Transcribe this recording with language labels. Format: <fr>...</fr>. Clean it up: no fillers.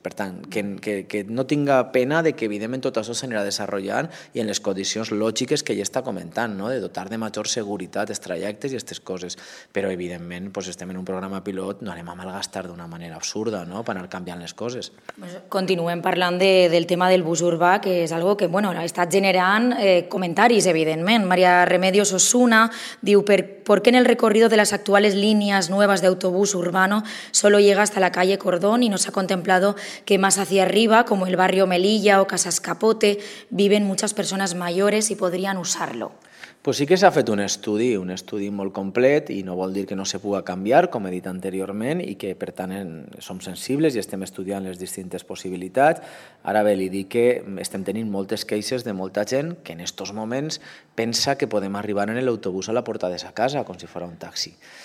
<ca>Per tant, que no tinga pena de que evidentment tot això s'anirà desenvolupant i en les condicions lògiques que ja està comentant, no? De dotar de major seguretat els trajectes i aquestes coses. Però evidentment, pues, estem en un programa pilot, no anem a malgastar d'una manera absurda, no? Per anar canviant les coses. Continuem parlant del tema del bus urbà, que és algo que, bueno, està generant comentaris, evidentment. Maria Remedios Osuna diu,</ca> <es>¿por qué en el recorrido de las actuales líneas nuevas de autobús urbano solo llega hasta la calle Cordón y no se ha contemplado que más hacia arriba, como el barrio Melilla o Casas Capote, viven muchas personas mayores y podrían usarlo?</es> <ca>Pues sí que s'ha fet un estudi molt complet i no vol dir que no se pugui canviar, com he dit anteriorment, i que per tant som sensibles i estem estudiant les distintes possibilitats. Ara bé, li dic que estem tenint moltes queixes de molta gent que en estos moments pensa que podem arribar en l'autobús a la porta de sa casa, com si fos un taxi.</ca>